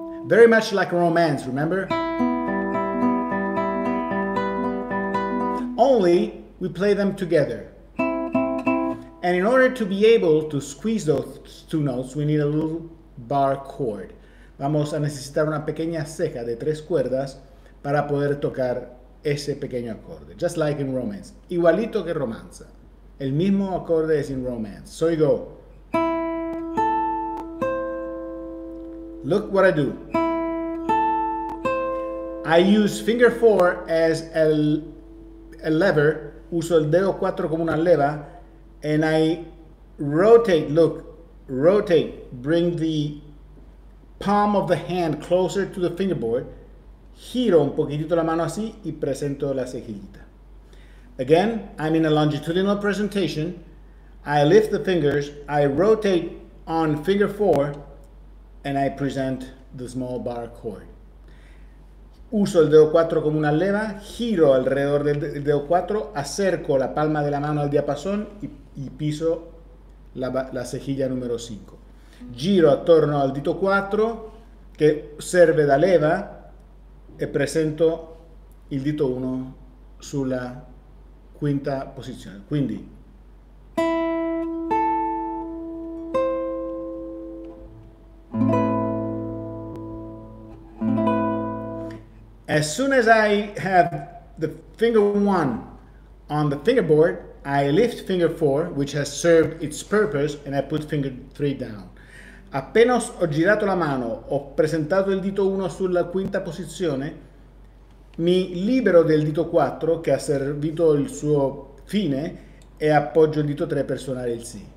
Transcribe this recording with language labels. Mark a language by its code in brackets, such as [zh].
[en] Very much like a romance, remember? Only we play them together. And in order to be able to squeeze those two notes, we need a little bar chord. [es] Vamos a necesitar una pequeña ceja de tres cuerdas para poder tocar ese pequeño acorde. [en] Just like in romance. [es] Igualito que romanza. El mismo acorde es [en] in romance. So you go. Look what I do. I use finger four as a lever. [es] Uso el dedo cuatro como una leva. [en] And I rotate, look, rotate, bring the palm of the hand closer to the fingerboard, [es] giro un poquitito la mano así y presento la cejillita. [en] Again, I'm in a longitudinal presentation, I lift the fingers, I rotate on finger four, and I present the small bar chord. [es] Uso el dedo 4 como una leva, giro alrededor del dedo 4, acerco la palma de la mano al diapasón y piso la cejilla número 5. [it] Giro attorno al dito 4 che serve da leva e presento il dito 1 sulla quinta posizione. Quindi. [en] As soon as I have the finger one on the fingerboard, I lift finger four, which has served its purpose, and I put finger three down. [it] Appena ho girato la mano, ho presentato il dito uno sulla quinta posizione, mi libero del dito quattro, che ha servito il suo fine, e appoggio il dito tre per suonare il si.